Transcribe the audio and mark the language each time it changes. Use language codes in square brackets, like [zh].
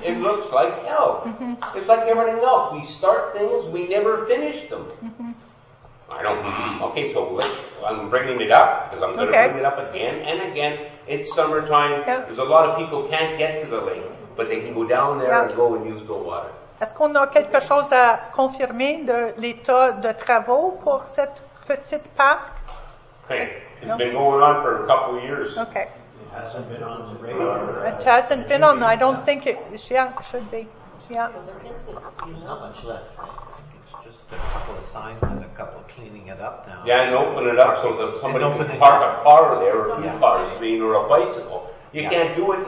[en] Mm-hmm. It looks like hell. Mm-hmm. It's like everything else. We start things, we never finish them. Mm-hmm. I don't... Okay, so I'm bringing it up, because I'm going to bring it up again and again. It's summertime. Yep. There's a lot of people can't get to the lake, but they can go down there and go and use the water. [fr] Est-ce qu'on a quelque chose à confirmer de l'état de travaux pour cette petite parc? [en] Okay. It's been going on for a couple of years. Okay. It hasn't been on the radar. It hasn't been on. I don't think it should be. Yeah. There's not much left. I think it's just a couple of signs and a couple of cleaning it up now. Yeah, and open it up so that somebody can park a car there or two cars, or a bicycle. You can't do it.